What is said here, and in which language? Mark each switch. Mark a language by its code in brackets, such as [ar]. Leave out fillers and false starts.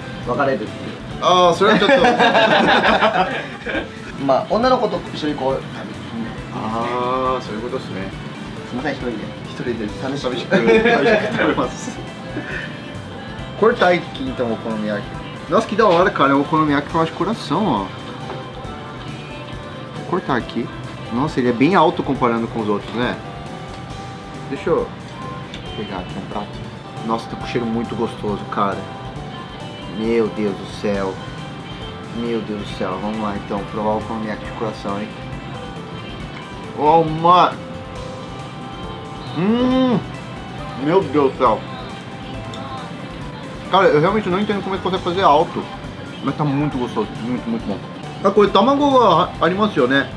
[ja] 分かれるっていう。ああそれはちょっとまあ女の子と一緒にこう食べる。ああそういうことですね。すみません一人で一人で楽しく食べます。これ大好きとお好み焼き。 [pt] Nossa, que da hora, cara. O好み焼き faz coração, ó. Cortar aqui. Nossa, ele é bem alto comparando com os outros, né? Deixa eu pegar aqui um prato. Nossa, tá com cheiro muito gostoso, cara. Meu Deus do céu. Meu Deus do céu. Vamos lá então, provar o pão de coração, hein? Oh, mano! Meu Deus do céu. Cara, eu realmente não entendo como é que consegue fazer alto. Mas tá muito gostoso, muito, muito bom. [ja] あ、これ卵がありますよね。